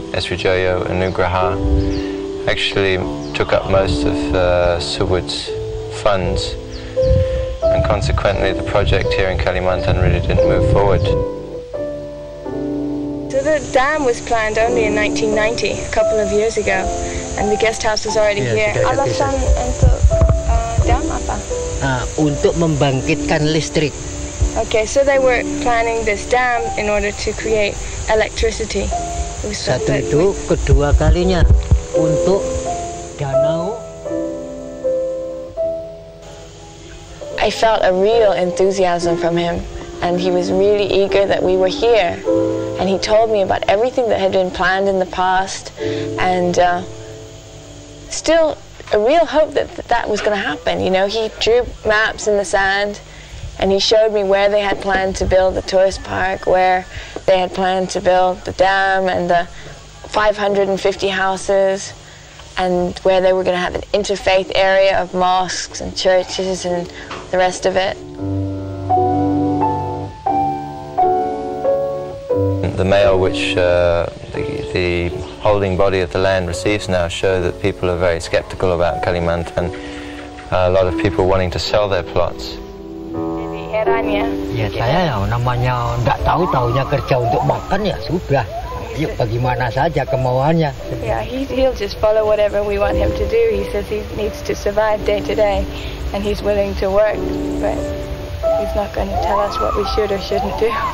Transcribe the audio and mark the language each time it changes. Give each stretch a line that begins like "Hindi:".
English: Esrijoyo and Nugraha, actually took up most of Subud's funds, and consequently the project here in Kalimantan really didn't move forward. So the dam was planned only in 1990, a couple of years ago, and the guest house was already here.
Indonesian: Alasan untuk dam apa? Untuk membangkitkan listrik.
English: Okay, so they were planning this dam in order to create electricity.
Indonesian: Satu itu, kedua kalinya untuk danau.
English: I felt a real enthusiasm from him, and he was really eager that we were here. And he told me about everything that had been planned in the past, and still a real hope that that was going to happen. You know, he drew maps in the sand, and he showed me where they had planned to build the tourist park, where they had planned to build the dam and the 550 houses, and where they were going to have an interfaith area of mosques and churches and the rest of it. The mail which the holding body of the land receives now show that people are very skeptical about Kalimantan. A lot of people wanting to sell their plots.
Indonesian: Ya saya ya namanya enggak tahu taunya kerja untuk makan ya sudah. Yuk bagaimana saja kemauannya.
English: Yeah, he'll just follow whatever we want him to do. He says he needs to survive day to day, and he's willing to work, but he's not going to tell us what we should or shouldn't do.